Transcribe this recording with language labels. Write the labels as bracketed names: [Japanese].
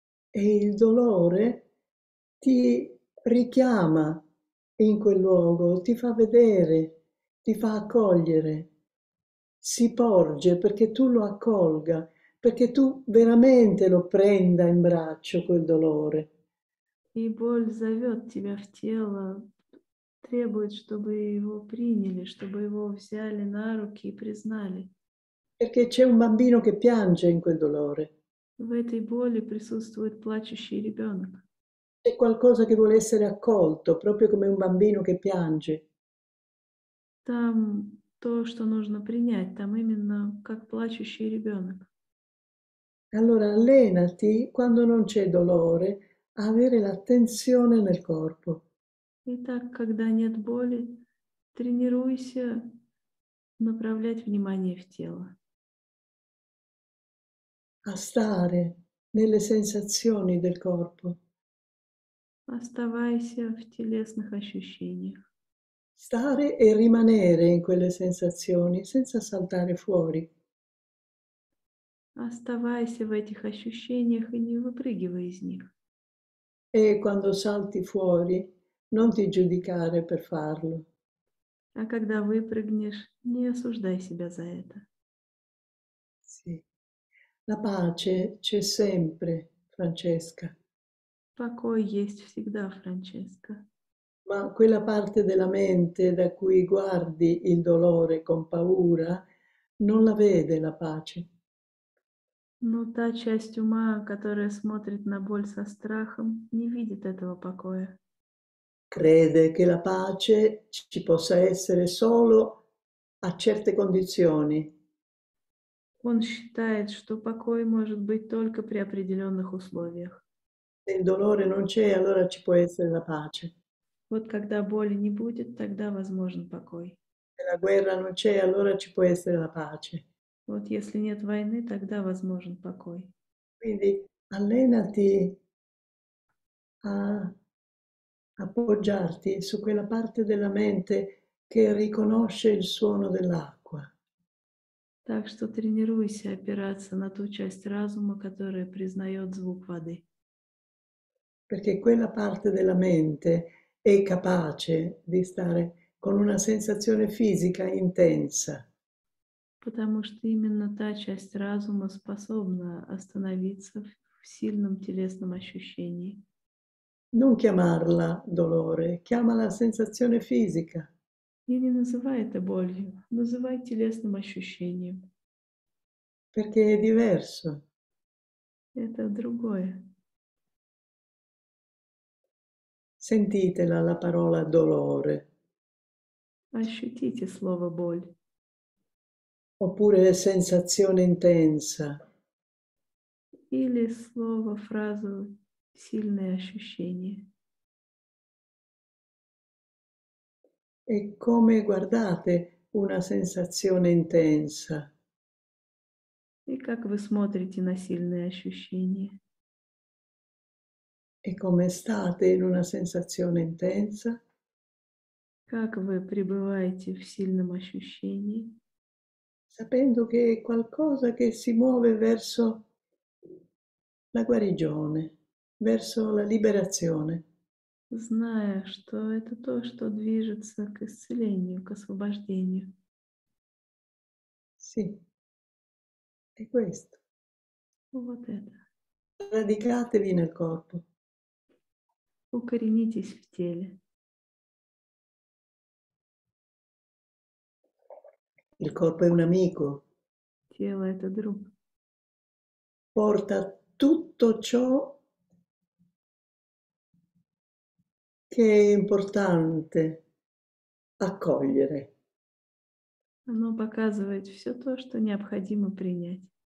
[Italian] E il dolore ti richiama in quel luogo, ti fa vedere, ti fa accogliere. Si porge perché tu lo accolga, perché tu veramente lo prenda in braccio quel dolore. [Russian] И боль зовет тебя в тело, требует, чтобы его приняли, чтобы его взяли на руки и признали. [Italian] Perché c'è un bambino che piange in quel dolore. [Russian] В этой боли присутствует плачущий ребенок. [Italian] C'è qualcosa che vuole essere accolto, proprio come un bambino che piange. [Russian] Там то, что нужно принять, там именно как плачущий ребенок. [Italian] Allora allenati quando non c'è dolore. Avere l'attenzione nel corpo. [Russian] Итак, когда нет боли, тренируйся направлять внимание в тело. [Italian] A stare nelle sensazioni del corpo. [Russian] Оставайся в телесных ощущениях. [Italian] Stare e rimanere in quelle sensazioni senza saltare fuori. [Russian] Оставайся в этих ощущениях и не выпрыгивай из них. [Italian] E quando salti fuori, non ti giudicare per farlo. [Russian] А когда выпрыгнешь, не осуждай себя за это. [Italian] Sì. La pace c'è sempre, Francesca. [Russian] Покой есть всегда, Франческа. [Italian] Ma quella parte della mente da cui guardi il dolore con paura, non la vede la pace. [Russian] Но та часть ума, которая смотрит на боль со страхом, не видит этого покоя. [Italian] Crede che la pace ci possa essere solo a certe condizioni. [Russian] Он считает, что покой может быть только при определенных условиях. [Italian] Se il dolore non c'è, allora ci può essere la pace. [Russian] Вот когда боли не будет, тогда возможен покой. [Italian] Se la guerra non c'è, allora ci può essere la pace. [Russian] Вот если нет войны, тогда возможен покой. [Italian] Quindi allenati a appoggiarti su quella parte della mente che riconosce il suono dell'acqua. [Russian] Так что тренируйся опираться на ту часть разума, которая признает звук воды. [Italian] Perché quella parte della mente è capace di stare con una sensazione fisica intensa. [Russian] Потому что именно та часть разума способна остановиться в сильном телесном ощущении. [Italian] Non chiamarla dolore, chiamala sensazione fisica. [Russian] И не называй это болью, называй телесным ощущением. [Italian] Perché è diverso. [Russian] Это другое. [Italian] Sentitela la parola dolore. [Russian] Ощутите слово боль. [Italian] Oppure sensazione intensa. [Russian] Или слово, фразу, сильное ощущение. [Italian] E come guardate una sensazione intensa? [Russian] И как вы смотрите на сильное ощущение? [Italian] E come state in una sensazione intensa? [Russian] Как вы пребываете в сильном ощущении? [Italian] Sapendo che è qualcosa che si muove verso la guarigione, verso la liberazione. [Russian] Зная, что это то, что движется к исцелению, к освобождению. [Italian] Sì, è questo. [Russian] Вот это. [Italian] Radicatevi nel corpo. [Russian] Укоренитесь в теле. [Italian] Il corpo è un amico. [Russian] Тело это друг. [Italian] Porta tutto ciò che è importante accogliere. [Russian] Оно показывает все то, что необходимо принять.